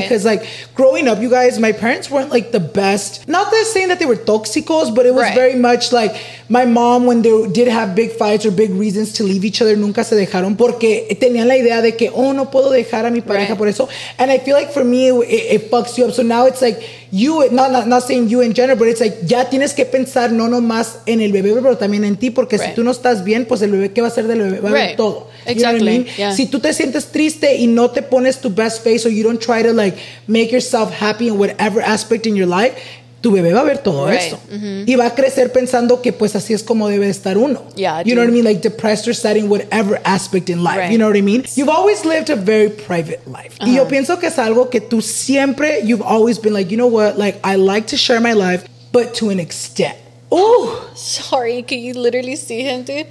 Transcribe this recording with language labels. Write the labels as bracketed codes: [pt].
[en] Because, like, growing up, you guys, my parents weren't, like, the best. Not that saying that they were toxicos, but it was very much, like, my mom, when they did have big fights or big reasons to leave each other, [es] nunca se dejaron porque tenían la idea de que, oh, no puedo dejar a mi pareja por eso. [en] And I feel like for me, it fucks you up. So now it's like, [es] you, not saying you in general, but it's like, ya tienes que pensar no nomás en el bebé, pero también en ti, porque si tú no estás bien, pues el bebé, ¿qué va a ser del bebé? Va a ver todo. [en] Exactly. You know what I mean? [es] Si tú te sientes triste y no te pones tu [en] best face, or you don't try to, like, make yourself happy in whatever aspect in your life, [es] tu bebé va a ver todo eso. Y va a crecer pensando que pues así es como debe estar uno. [en] You know what I mean? Like depressed or sad in whatever aspect in life. You know what I mean? You've always lived a very private life. [es] Y yo pienso que es algo que tú siempre, [en] you've always been like, you know what? Like, I like to share my life, but to an extent. Ooh. Sorry, can you literally see him, dude?